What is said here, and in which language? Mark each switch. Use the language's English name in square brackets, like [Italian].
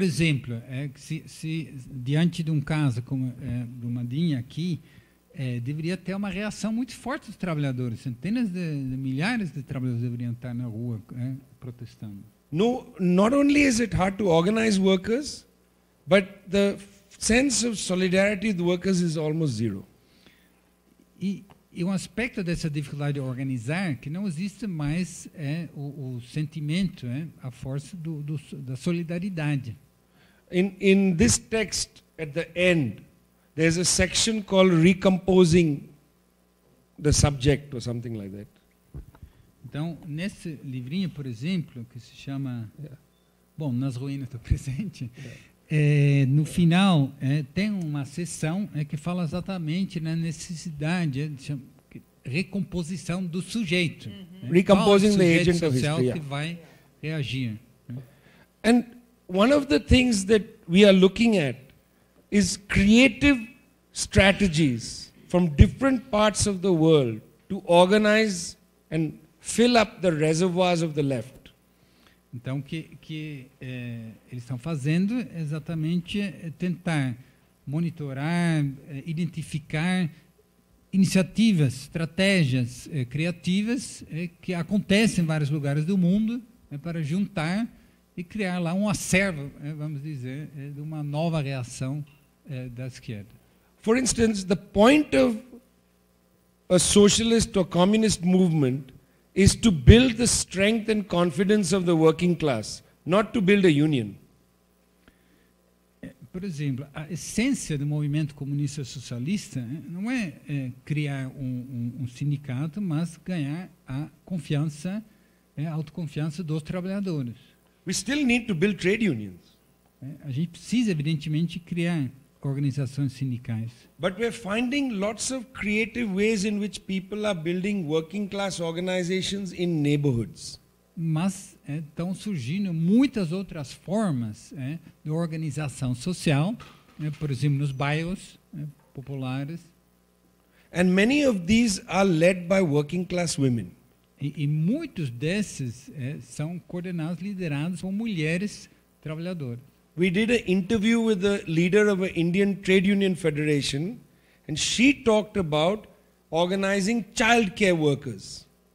[Portuguese] exemplo, se diante de um caso como do Madinha aqui, deveria ter uma reação muito forte dos trabalhadores. Centenas de milhares de trabalhadores deveriam estar na rua protestando. [English] No, not only is it hard to organize workers, but the sense of solidarity of the workers is almost zero. [Portuguese] E um aspecto dessa dificuldade de organizar que não existe mais o sentimento, a força da solidariedade. [English] In this text at the end there's a section called recomposing the subject or something like that. [Portuguese] Então, nesse livrinho, por exemplo, que se chama Bom, nas ruínas do presente, no final, tem uma sessão que fala exatamente na necessidade de recomposição do sujeito. [English] Recomposing the agent of [Portuguese] history. Qual é o sujeito social que vai reagir. [English] And one of the things that we are looking at is creative strategies from different parts of the world to organize and fill up the reservoirs of the left. [Portuguese] Então, o que eles estão fazendo é exatamente tentar monitorar, identificar iniciativas, estratégias criativas que acontecem em vários lugares do mundo para juntar e criar lá um acervo, vamos dizer, de uma nova reação da esquerda. [English] For instance, the point of a socialist or communist movement is to build the strength and confidence of the working class, not to build a union. [Portuguese] Por exemplo, a essência do movimento comunista socialista não é criar um sindicato, mas ganhar a confiança, a autoconfiança dos trabalhadores. [English] We still need to build trade unions. [Portuguese] A gente precisa, evidentemente, criar organizações sindicais. [English] But we're finding lots of creative ways in which people are building working class organizations in neighborhoods. [Portuguese] Mas estão surgindo muitas outras formas de organização social, por exemplo, nos bairros populares. [English] And many of these are led by working class women. [Portuguese] E muitos desses são coordenados, liderados por mulheres trabalhadoras. [English] We did an interview with the leader of an Indian Trade Union Federation, and she talked about organizing child care workers.